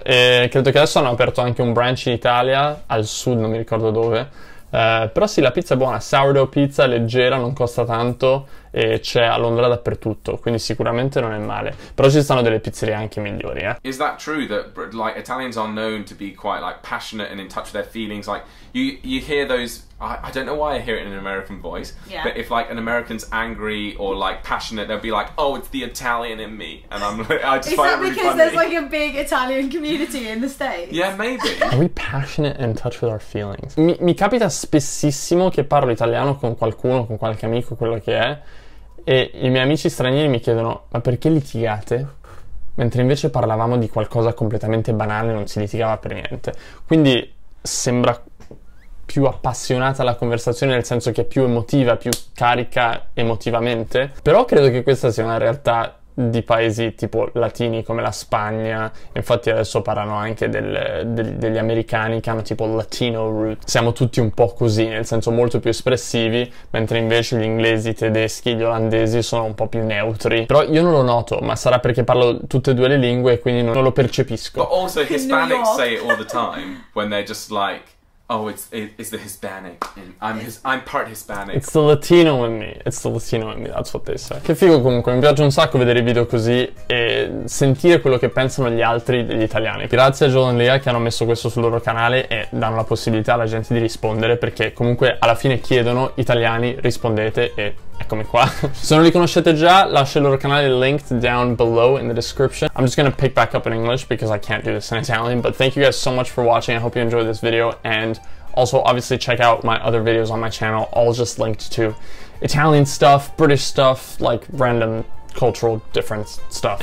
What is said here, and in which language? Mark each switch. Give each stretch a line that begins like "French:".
Italian: E credo che adesso hanno aperto anche un branch in Italia, al sud, non mi ricordo dove. Però sì, la pizza è buona, sourdough pizza, leggera, non costa tanto e c'è a Londra dappertutto, quindi sicuramente non è male. Però ci stanno delle pizzerie anche migliori, eh.
English: Is that true that like Italians are known to be quite like passionate and in touch with their feelings? Like you hear those, I don't know why I hear it in an American voice, yeah. But if like an American's angry or like passionate, they'll be like, oh, it's the Italian in me. And I'm like, I just Is find that it really because funny. There's like a big Italian community in the States? Yeah, maybe. Are we passionate and in touch with our feelings?
Italian: Mi capita spessissimo che parlo italiano con qualcuno, con qualche amico, quello che è, e i miei amici stranieri mi chiedono, ma perché litigate? Mentre invece parlavamo di qualcosa completamente banale, non si litigava per niente. Quindi sembra più appassionata la conversazione, nel senso che è più emotiva, più carica emotivamente. Però credo che questa sia una realtà di paesi tipo latini come la Spagna. Infatti adesso parlano anche degli americani che hanno tipo
English: Latino root.
Italian: Siamo tutti un po' così, nel senso molto più espressivi, mentre invece gli inglesi, i tedeschi, gli olandesi sono un po' più neutri. Però io non lo noto, ma sarà perché parlo tutte e due le lingue e quindi non lo percepisco.
English: But also Hispanics say it all the time when they're just like, oh, it's the Hispanic. I'm part Hispanic. It's the Latino in me. It's the Latino in me. That's what they say.
Italian: Che figo comunque. Mi piace un sacco vedere i video così e sentire quello che pensano gli altri degli italiani. Grazie a Joel e Lea che hanno messo questo sul loro canale e danno la possibilità alla gente di rispondere, perché comunque alla fine chiedono, italiani, rispondete e eccomi qua. Se non li conoscete già, lascio il loro canale
English: linked down below in the description. I'm just gonna pick back up in English because I can't do this in Italian, but thank you guys so much for watching. I hope you enjoyed this video, and also obviously check out my other videos on my channel, all just linked to Italian stuff, British stuff, like random cultural difference stuff.